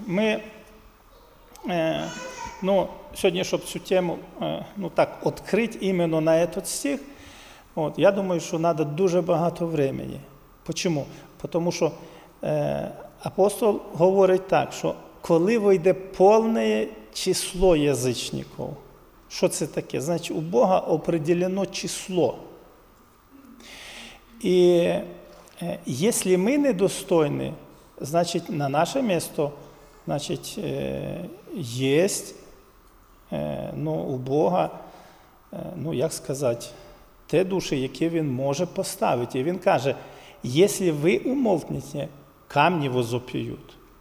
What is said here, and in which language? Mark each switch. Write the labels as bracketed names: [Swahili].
[Ukrainian] Ми, ну, сьогодні, щоб цю тему, ну, так, відкрити іменно на цей стих, от, я думаю, що треба дуже багато времени. Чому? Тому що апостол говорить так, що коли вийде повне число язичників, що це таке? Значить, у Бога определено число. І якщо ми недостойні, значить, на наше місце, значить, є, ну, у Бога, ну, як сказати, те душі, які він може поставити. І він каже: [Russian] «Если вы умолкнете, камни возопьют».